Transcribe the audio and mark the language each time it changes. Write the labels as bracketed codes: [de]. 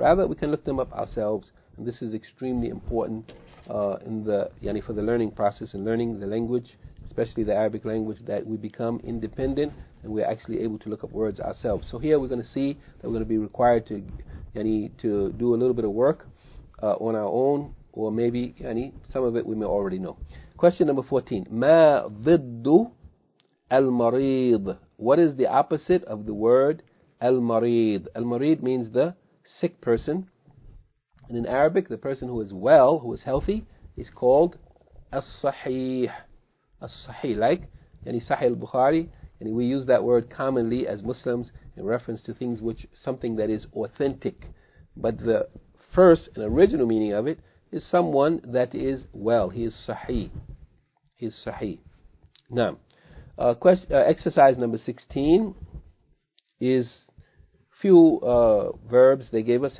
[en] Rather, we can look them up ourselves, and this is extremely important for the learning process and learning the language, especially the Arabic language, that we become independent and we're actually able to look up words ourselves. So here we're going to see that we're going to be required to to do a little bit of work on our own, or maybe some of it we may already know. Question number 14. [ar] Ma ضد المريض. [en] What is the opposite of the word المريض? المريض means the sick person. And in Arabic, the person who is well, who is healthy, is called الصحيح. الصحيح, like يعني صحيح البخاري. And we use that word commonly as Muslims in reference to things which something that is authentic. But the first and original meaning of it is someone that is well. He is صحيح. He is صحيح. Now, exercise number 16 is few verbs they gave us.